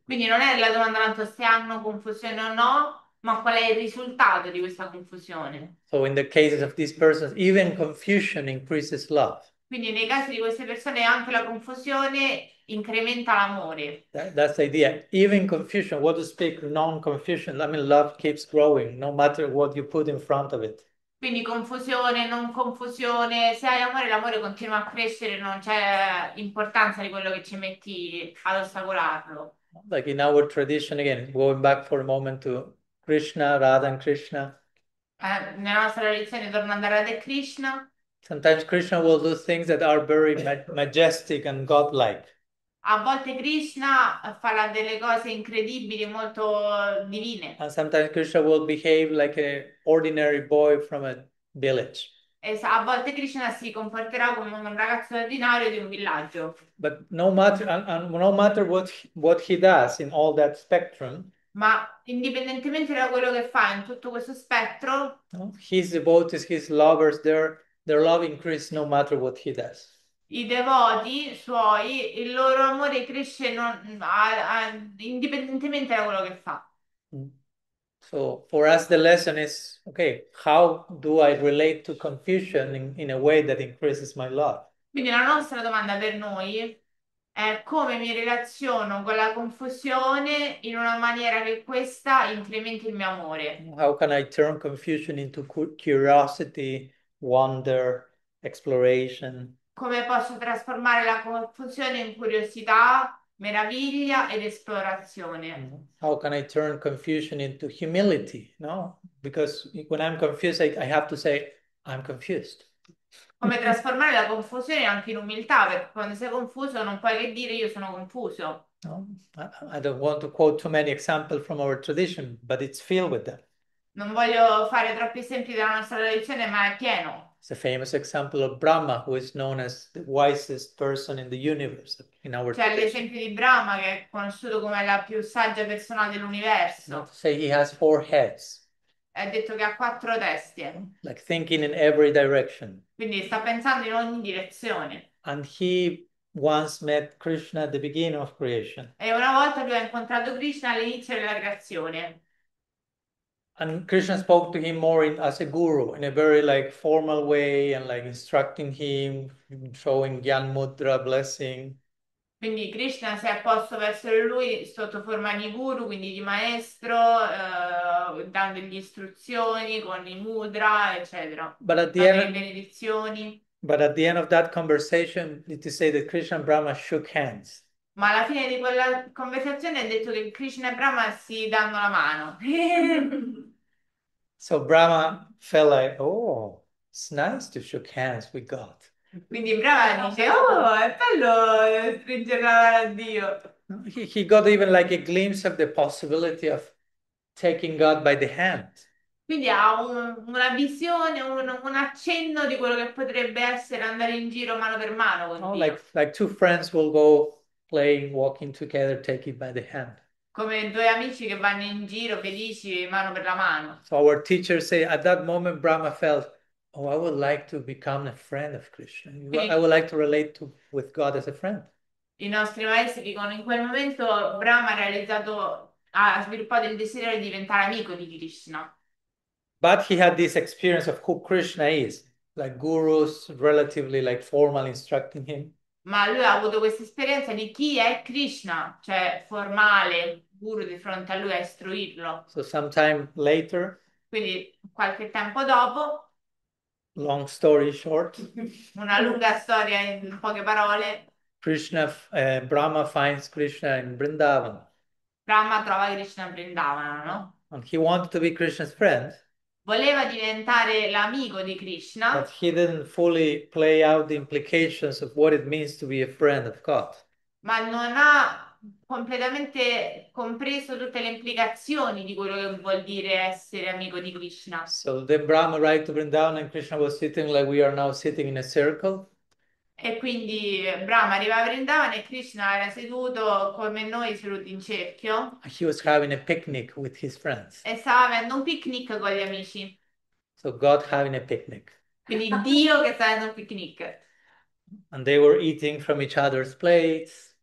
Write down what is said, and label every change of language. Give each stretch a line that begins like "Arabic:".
Italian: Quindi non è la domanda tanto se hanno confusione o no, ma qual è il risultato di questa confusione.
English: So in the cases of these persons, even confusion increases love.
Italian: Quindi nei casi di queste persone anche la confusione incrementa l'amore.
English: That's the idea. Even confusion, what to speak, non-confusion, I mean love keeps growing no matter what you put in front of it.
Italian: Quindi confusione, non confusione, se hai amore, l'amore continua a crescere, non c'è importanza di quello che ci metti ad ostacolarlo.
English: Like in our tradition, again, going back for a moment to Krishna, Radha and Krishna.
Italian: Nella nostra lezione torna a Radha e Krishna.
English: Sometimes Krishna will do things that are very majestic and godlike.
Italian: A volte Krishna farà delle cose incredibili, molto divine.
English: And sometimes Krishna will behave like an ordinary boy from a village.
Italian: E a volte Krishna si comporterà come un ragazzo ordinario di un villaggio.
English: But no matter what he does in all that spectrum,
Italian: Ma indipendentemente da quello che fa in tutto questo spettro, no?
English: His devotees, his lovers, their love increase no matter what he does.
Italian: i devoti suoi, il loro amore cresce indipendentemente da quello che fa.
English: So for us the lesson is, okay, how do I relate to confusion in a way that increases my love?
Italian: Quindi la nostra domanda per noi è come mi relaziono con la confusione in una maniera che questa incrementi il mio amore.
English: How can I turn confusion into curiosity, wonder, exploration?
Italian: Come posso trasformare la confusione in curiosità, meraviglia ed esplorazione?
English: How can I turn confusion into humility? No, because when I'm confused, I have to say, I'm confused.
Italian: Come trasformare la confusione anche in umiltà, perché quando sei confuso non puoi che dire io sono confuso.
English: No, I don't want to quote too many examples from our tradition, but it's filled with that.
Italian: Non voglio fare troppi esempi della nostra tradizione, ma è pieno.
English: It's a famous example of Brahma, who is known as the wisest person in the universe, in our
Italian: C'è
English: tradition.
Italian: l'esempio di Brahma, che è conosciuto come la più saggia persona dell'universo.
English: Say he has four heads,
Italian: È detto che ha quattro teste.
English: like thinking in every direction.
Italian: Quindi sta pensando in ogni direzione.
English: And he once met Krishna at the beginning of creation.
Italian: E una volta lui ha incontrato Krishna all'inizio della creazione.
English: And Krishna spoke to him more as a guru, in a very like formal way, and like instructing him, showing Gyan Mudra blessing.
Italian: Quindi Krishna si è posto verso lui sotto forma di guru, quindi di maestro, dandogli istruzioni con i mudra, eccetera. Dandogli benedizioni,
English: But at the end of that conversation, it is said that Krishna and Brahma shook hands.
Italian: ma alla fine di quella conversazione è detto che Krishna e Brahma si danno la mano.
English: So Brahma felt like, oh, it's nice to shake hands with God.
Italian: Quindi Brahma dice: oh, è bello stringere la mano
English: He got even like a glimpse of the possibility of taking God by the hand.
Italian: a Dio. Quindi ha una visione, un accenno di quello che potrebbe essere andare in giro mano per mano con Oh, Dio.
English: like two friends will go playing, walking together, take it by the hand.
Italian: Come due amici che vanno in giro felici mano per la mano.
English: So our teachers say at that moment Brahma felt, oh, I would like to become a friend of Krishna. I
Italian: Quindi
English: would like to relate to with God as a friend.
Italian: i nostri maestri dicono in quel momento Brahma ha sviluppato il desiderio di diventare amico di Krishna.
English: But he had this experience of who Krishna is, like gurus, relatively like formal instructing him.
Italian: Ma lui ha avuto questa esperienza di chi è Krishna, cioè formale, guru di fronte a lui a istruirlo.
English: So sometime later,
Italian: Quindi qualche tempo dopo.
English: long story short,
Italian: Una lunga storia in poche parole.
English: Brahma finds Krishna in Vrindavan.
Italian: Brahma trova Krishna in Vrindavana,
English: And he wanted to be Krishna's friend,
Italian: no? Voleva diventare l'amico di Krishna.
English: but he didn't fully play out the implications of what it means to be a friend of God.
Italian: Ma non ha completamente compreso tutte le implicazioni di quello che vuol dire essere amico di Krishna.
English: So then Brahma arrived to Vrindavan and Krishna was sitting like we are now sitting in a circle.
Italian: E quindi Brahma arriva a Vrindavana e Krishna era seduto come noi, seduti in cerchio,
English: He was having a picnic with his friends.
Italian: e stava avendo un picnic con gli amici.
English: So God having a picnic.
Italian: Quindi Dio che stava avendo un picnic.
English: And they were eating from each other's plates.